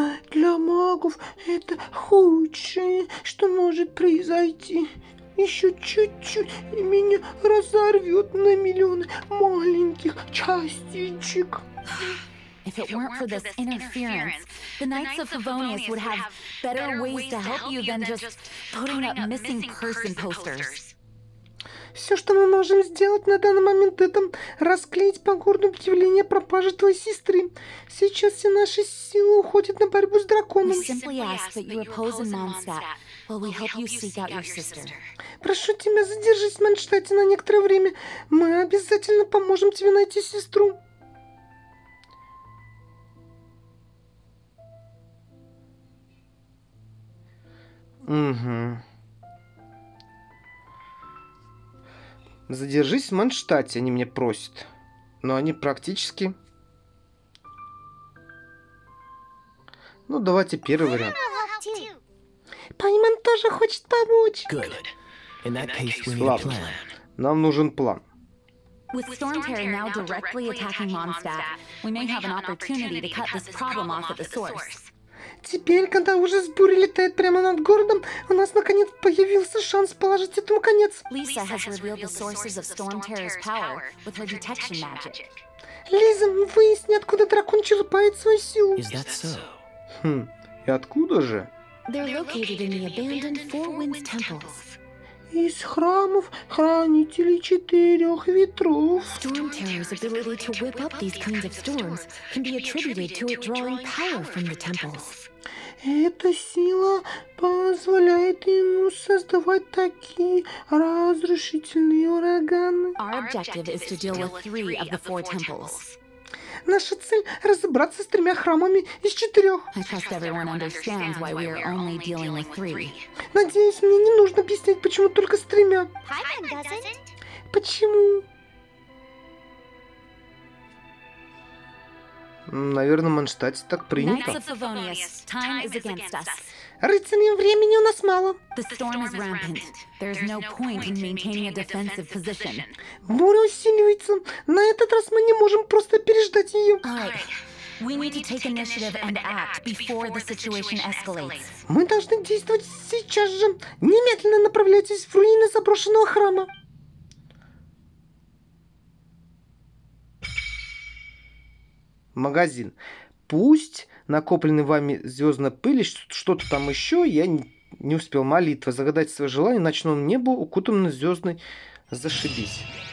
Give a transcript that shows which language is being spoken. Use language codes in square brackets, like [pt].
[ru] Для магов это худшее, что может произойти. Еще чуть-чуть, и меня разорвет на миллионы маленьких частичек. [en] If it weren't for this interference, the Knights of Favonius would have better ways to help you than just putting up missing person posters. [ru] Все, что мы можем сделать на данный момент, это расклеить по городу объявление о пропаже твоей сестры. Сейчас все наши силы уходят на борьбу с драконом. [en] We simply ask that you oppose in Mondstadt while we help you seek out your sister. [ru] Прошу тебя, задержись в Мондштадте на некоторое время. Мы обязательно поможем тебе найти сестру. Угу. Задержись в Мондштадте, они меня просят. Но они практически... Ну, давайте первый вариант. Пайман тоже хочет помочь. [en] Good. In that case, we need a plan. [ru] Нам нужен план. [en] With Storm Terror now directly attacking Mondstadt, we may have an opportunity to cut this problem off at the source. [ru] Теперь, когда ужас бури летает прямо над городом, у нас наконец появился шанс положить этому конец. [en] Лиза has revealed the sources of Storm Terror's power with her detection magic. [ru] Лиза, выясни, откуда дракон черпает свою силу. [en] Is that so? [ru] Хм, и откуда же? [en] They're located in the abandoned Four Winds temples. [ru] Из храмов хранителей четырех ветров. [en] Storm Terror's ability to whip up these kinds of storms can be attributed to it drawing power from the temples. [ru] Эта сила позволяет ему создавать такие разрушительные ураганы. [en] Our objective is to deal with three of the four temples. [ru] Наша цель – разобраться с тремя храмами из четырех. [en] I trust everyone understands why we are only dealing with three. [ru] Надеюсь, мне не нужно объяснять, почему только с тремя. [en] Пайман doesn't. [ru] Почему? Наверное, в Мондштадте так принято. [en] Knights of Favonius, time is against us. [ru] Рыцарей, времени у нас мало. [en] The storm is rampant. There's no point in maintaining a defensive position. [ru] Буря усиливается. На этот раз мы не можем просто переждать ее. [en] Alright. We need to take initiative and act before the situation escalates. [ru] Мы должны действовать сейчас же. Немедленно направляйтесь в руины заброшенного храма. Магазин. Пусть накопленный вами звездная пыль, что-то там еще, я не успел молитвы загадать свое желание, ночному небу, укутанной звездной, зашибись.